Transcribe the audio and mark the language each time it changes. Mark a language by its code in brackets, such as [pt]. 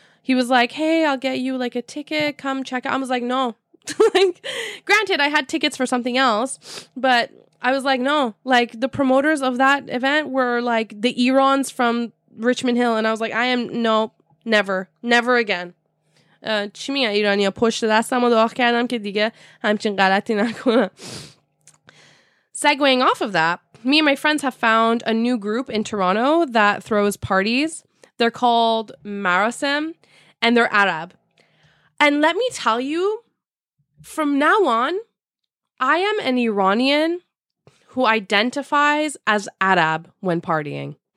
[en] He was like, hey, I'll get you like a ticket. Come check out. I was like, no. Like, granted, I had tickets for something else, but I was like, no. Like, the promoters of that event were like the EERANs from Richmond Hill. And I was like, I am no, never, never again. [fa] چی میگن ایرانی ها پشت دستم رو دعا کردم که دیگه همچین غلطی نکنم. [en] Segueing off of that, me and my friends have found a new group in Toronto that throws parties. They're called Marasim and they're Arab. And let me tell you, from now on, I am an Iranian who identifies as Arab when partying.